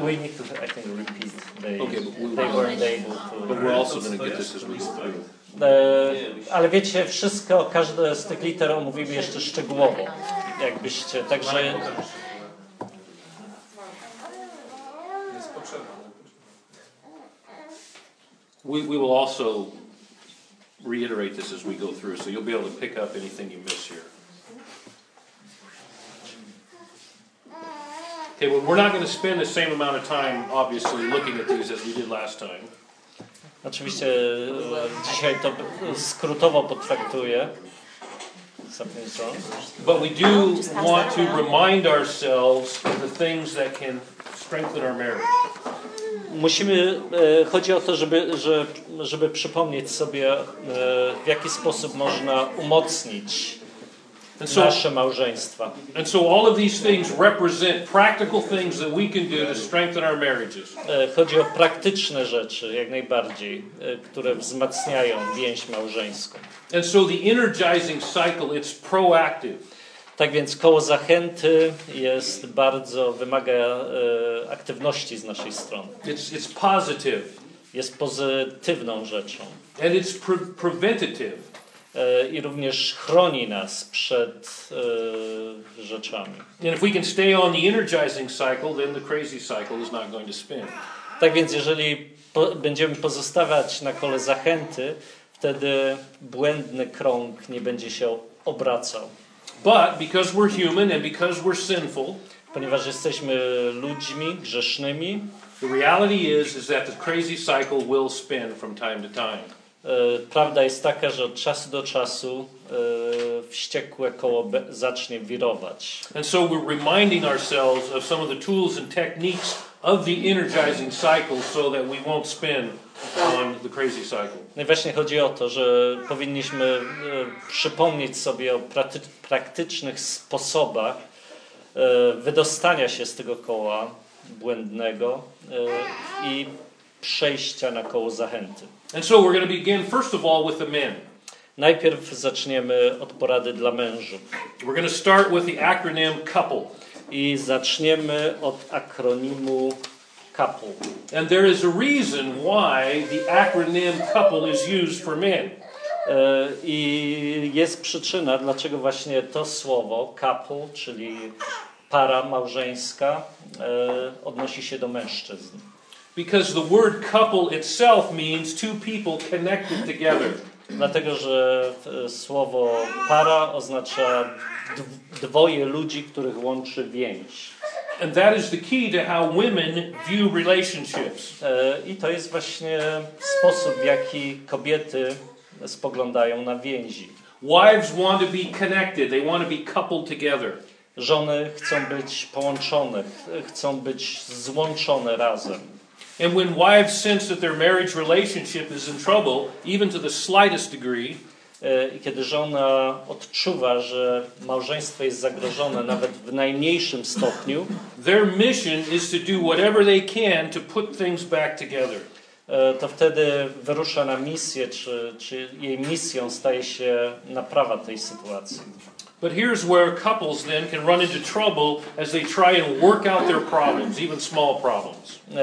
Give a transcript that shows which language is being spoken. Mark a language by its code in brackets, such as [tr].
[en] We need to, I think, repeat. They weren't able to. But we're also going to get this as we speak. [pl] Ale wiecie, wszystko, każde z tych liter omówimy jeszcze szczegółowo, jakbyście, także... [en] We will also reiterate this as we go through, so you'll be able to pick up anything you miss here. Okay, well, we're not going to spend the same amount of time, obviously, looking at these as we did last time. [pl] Oczywiście dzisiaj to skrótowo potraktuję. [en] Something's wrong. But we do want to remind ourselves of the things that can strengthen our marriage. [pl] Musimy, chodzi o to, żeby przypomnieć sobie, w jaki sposób można umocnić nasze małżeństwa. [en] And so all of these things represent practical things that we can do to strengthen our marriages. [pl] Chodzi o praktyczne rzeczy, jak najbardziej, które wzmacniają więź małżeńską. [en] And so the energizing cycle, it's proactive. [pl] Tak więc koło zachęty jest bardzo, wymaga aktywności z naszej strony. [en] It's positive. [pl] Jest pozytywną rzeczą. [en] And it's preventative. [pl] I również chroni nas przed rzeczami. [en] And if we can stay on the energizing cycle, then the crazy cycle is not going to spin. [pl] Tak więc jeżeli będziemy pozostawać na kole zachęty, wtedy błędny krąg nie będzie się obracał. [en] But because we're human and because we're sinful, [pl] ponieważ jesteśmy ludźmi grzesznymi, [en] the reality is that the crazy cycle will spin from time to time. [pl] Prawda jest taka, że od czasu do czasu wściekłe koło zacznie wirować. [en] And so we're reminding ourselves of some of the tools and techniques of the energizing cycle so that we won't spin on the crazy cycle. [pl] No właśnie chodzi o to, że powinniśmy przypomnieć sobie o praktycznych sposobach wydostania się z tego koła błędnego i przejścia na koło zachęty. [en] And so we're going to begin first of all with the men. [pl] Najpierw zaczniemy od porady dla mężów. [en] We're going to start with the acronym couple. [pl] I zaczniemy od akronimu couple. [en] And there is a reason why the acronym couple is used for men. [pl] I jest przyczyna, dlaczego właśnie to słowo couple, czyli para małżeńska, odnosi się do mężczyzn. [en] Because the word couple itself means two people connected together. [pl] Dlatego, że słowo para oznacza dwoje ludzi, których łączy więź. [en] And that is the key to how women view relationships. [pl] I to jest właśnie sposób, w jaki kobiety spoglądają na więzi. [en] Wives want to be connected, they want to be coupled together. [pl] Żony chcą być połączone, chcą być złączone razem. [en] And when wives sense that their marriage relationship is in trouble, even to the slightest degree, [pl] i kiedy żona odczuwa, że małżeństwo jest zagrożone nawet w najmniejszym stopniu, [en] their mission is to do whatever they can to put things back together. [pl] To wtedy wyrusza na misję, czy jej misją staje się naprawa tej sytuacji. [en] But here's where couples then can run into trouble as they try and work out their problems, even small problems.